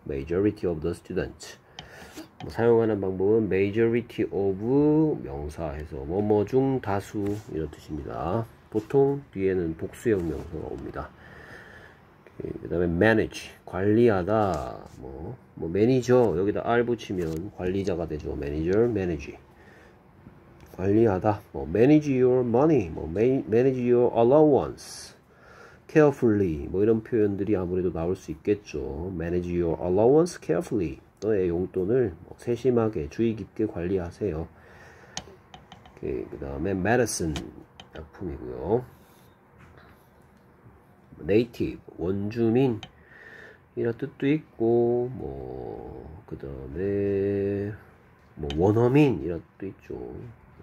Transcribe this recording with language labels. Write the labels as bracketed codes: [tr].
[en] majority of the students. [ko] 뭐 사용하는 방법은 majority of 명사해서 뭐뭐 중 다수 이런 뜻입니다. 보통 뒤에는 복수형 명사가 옵니다. 그다음에 manage 관리하다. 뭐 매니저 여기다 r 붙이면 관리자가 되죠. [en] manager, manage. [ko] 관리하다. [en] 뭐 manage your money, 뭐 manage your allowance carefully. [ko] 뭐 이런 표현들이 아무래도 나올 수 있겠죠. [en] manage your allowance carefully. [ko] 너의 용돈을 뭐 세심하게 주의 깊게 관리하세요. 오케이, 그다음에 medicine 약품이고요. native 원주민 이런 뜻도 있고 뭐 그다음에 뭐 원어민 이런 뜻도 있죠.